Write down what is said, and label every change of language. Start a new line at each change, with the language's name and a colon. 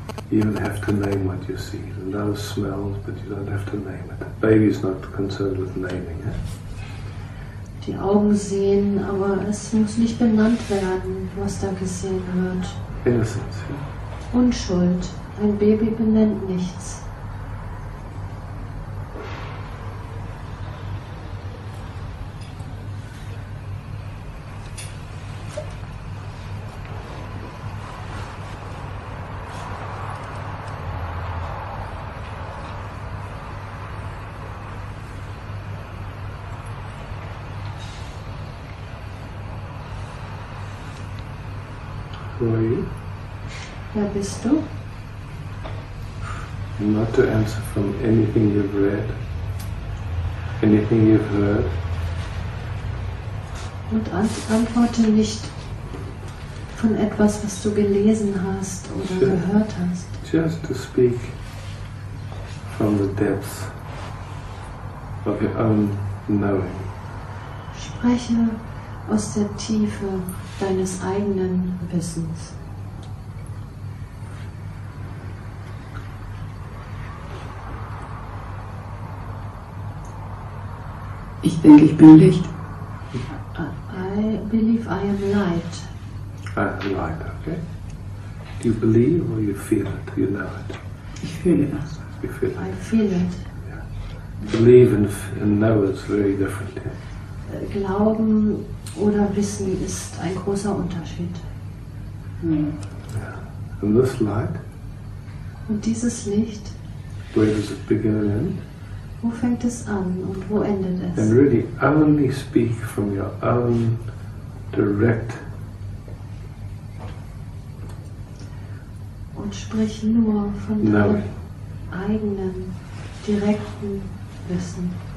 English: You don't have to name what you see. The nose smells, but you don't have to name it. The baby's not concerned with naming it.
German: Die Augen sehen, aber es muss nicht benannt werden, was da gesehen wird.
English: Innocence, yeah.
German: Unschuld. Ein Baby benennt nichts.
English: Who are you?
German: Wer bist du?
English: Not to answer from anything you've read, anything you've heard.
German: Und antworte nicht von etwas, was du gelesen hast oder gehört hast.
English: Just to speak from the depths of your own knowing.
German: Spreche aus der Tiefe deines eigenen Wissens. Ich denke, ich bin Licht.
English: I believe I am light. I am light, okay. Do you believe or you feel it? You know it.
German: Ich fühle das.
English: You feel it. I feel it. Yeah. Believe and know is very different. Yeah?
German: Glauben oder Wissen ist ein großer Unterschied.
English: Yeah. And this light?
German: Und dieses Licht?
English: Where does it begin and end?
German: Wo fängt es an und wo endet es?
English: And really only speak from your own direct.
German: Und sprich nur von deinem eigenen direkten Wissen.